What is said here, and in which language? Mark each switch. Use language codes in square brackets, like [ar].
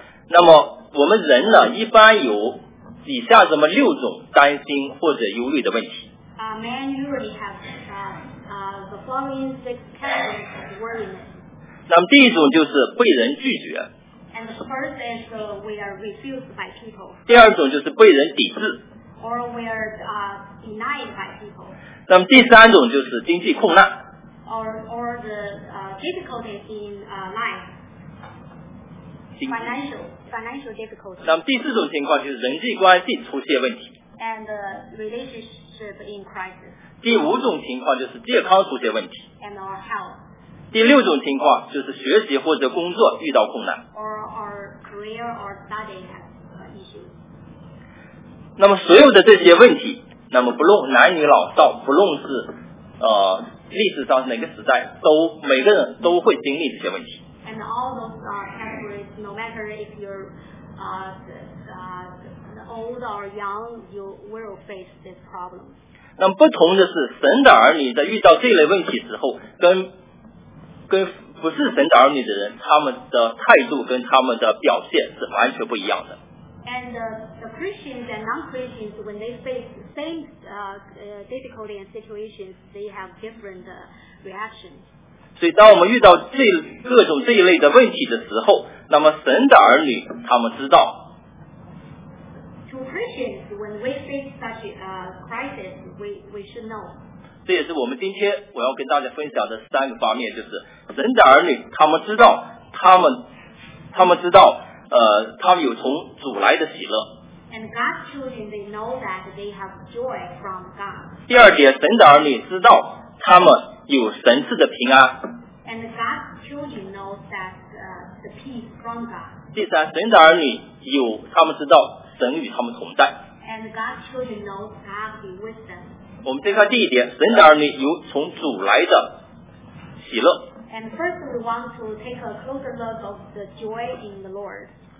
[zh] 那么我们人呢一般有以下这么六种担心或者忧虑的问题。 [en] Men usually have the following six categories of worryness. [zh] 那么第一种就是被人拒绝。 [en] And the first is we are refused by people. [zh] 第二种就是被人抵制。 [en] Or we are denied by people. [zh] 那么第三种就是经济困难。 [en] Or the difficulties in life. Financial difficulties. [zh] 那么第四种情况就是人际关系出现问题。 [en] And the relationship in crisis. [zh] 第五种情况就是健康出现问题。 [en] And our health. [zh] 第六种情况就是学习或者工作遇到困难。 [en] Or career or study issues. [zh] 那么所有的这些问题，那么不论男女老少，不论是历史上哪个时代，都每个人都会经历这些问题。 [en] And all those are categories, no matter if you're old or young, you will face this problem. [zh] 那么不同的是，神的儿女在遇到这类问题时候，跟不是神的儿女的人，他们的态度跟他们的表现是完全不一样的。 [en] And the Christians and non-Christians, when they face the same difficulty and situations, they have different reactions. [zh] 所以当我们遇到这各种这一类的问题的时候，那么神的儿女他们知道。 [en] To Christians, when we face such a crisis, we should know. [zh] 这也是我们今天我要跟大家分享的三个方面，就是神的儿女他们知道他们知道他们有从主来的喜乐。 [en] And God's children, they know that they have joy from God. [zh] 第二点，神的儿女知道他们有神赐的平安。 [en] And God's children know that the peace from God. [zh] 第三，神的儿女有他们知道神与他们同在。 [en] And God's children know God be with them. [zh] 我们先看第一点，神的儿女有从主来的喜乐。 [en] And first, we want to take a closer look of the joy in the Lord.